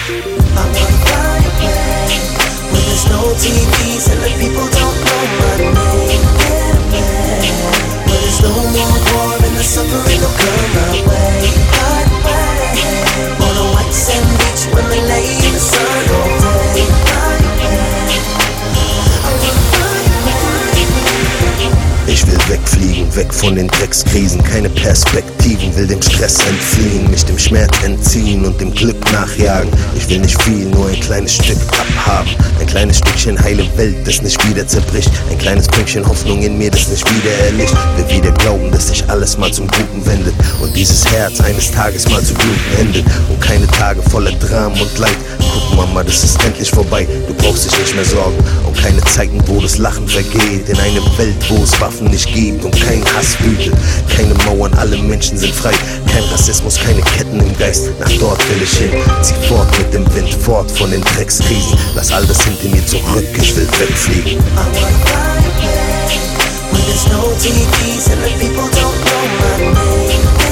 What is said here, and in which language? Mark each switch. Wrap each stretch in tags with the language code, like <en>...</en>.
<en>I wanna fly away, where there's no TVs and the people don't know my name. No more war and the suffering will come my way. Hard way. On a white sand beach when we lay in the sun all day.</en> <de>Ich will wegfliegen, weg von den Dreckskrisen. Keine Perspektiven, will dem Stress entfliehen. Mich dem Schmerz entziehen und dem Glück nachjagen. Ich will nicht viel, nur ein kleines Stück abhaben. Ein kleines Stückchen heile Welt, das nicht wieder zerbricht. Ein kleines Pünktchen Hoffnung in mir, das nicht wieder erlischt. Will wieder glauben, dass sich alles mal zum Guten wendet. Und dieses Herz eines Tages mal zu bluten endet. Und keine Tage voller Dramen und Leid. Guck Mama, das ist endlich vorbei. Du brauchst dich nicht mehr sorgen. Und keine Zeiten, wo das Lachen vergeht. In eine Welt, wo es Waffen nicht gibt und kein Hass wütet. Keine Mauern, alle Menschen sind frei. Kein Rassismus, keine Ketten im Geist. Nach dort will ich hin. Zieh fort mit dem Wind, fort von den Dreckskrisen. Lass all das hinter mir zurück, ich will wegfliegen.</de> <en>I wanna fly away, when there's no TVs and the people don't know my name.</en>